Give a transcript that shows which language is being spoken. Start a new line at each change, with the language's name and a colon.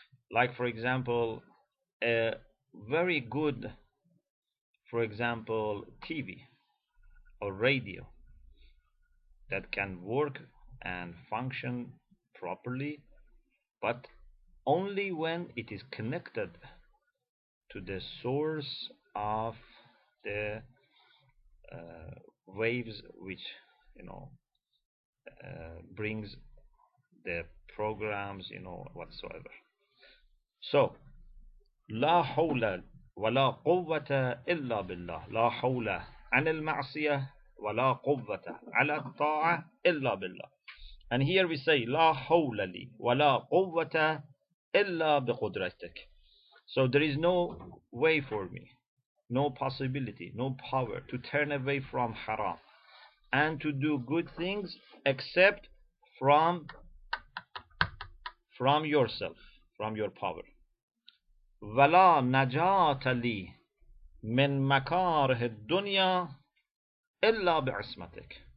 English: Like, for example, a very good, for example, TV or radio that can work and function properly, but only when it is connected to the source of the waves, which, you know, brings the programs, you know, whatsoever.
Arabic: So لا حول ولا قوة إلا بالله. لا حول عن المعصية ولا قوة على الطاعة إلا بالله.
English: And here we say
Arabic: لا حول لي ولا قوة إلا بقدرتك.
English: So there is no way for me, no possibility, no power to turn away from haram and to do good things except from yourself, from your power.
Arabic: وَلَا نَجَاتَ لِي مِن مَكَارِهِ الدُّنْيَا إِلَّا بِعِصْمَتِكَ.